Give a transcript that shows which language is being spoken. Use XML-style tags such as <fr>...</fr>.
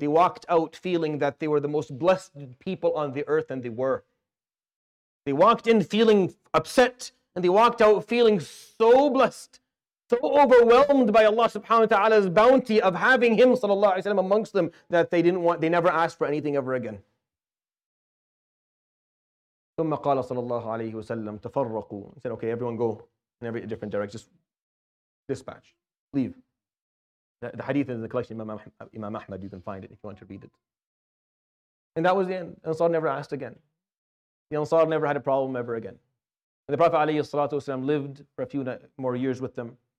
<en>They walked out feeling that they were the most blessed people on the earth, and they were. They walked in feeling upset, and they walked out feeling so blessed, so overwhelmed by Allah subhanahu wa ta'ala's bounty of having him sallallahu alayhi wa sallam amongst them, that they didn't want, they never asked for anything ever again.</en> <ar>ثم قال صلى الله عليه وسلم تفرقوا.</ar> <en>He said, okay, everyone go in every different direction. Just dispatch. Leave. The hadith is in the collection of Imam Ahmad. You can find it if you want to read it. And that was the end. Ansar never asked again. The Ansar never had a problem ever again. And the Prophet alayhi salatu wasalam lived for a few more years with them.</en>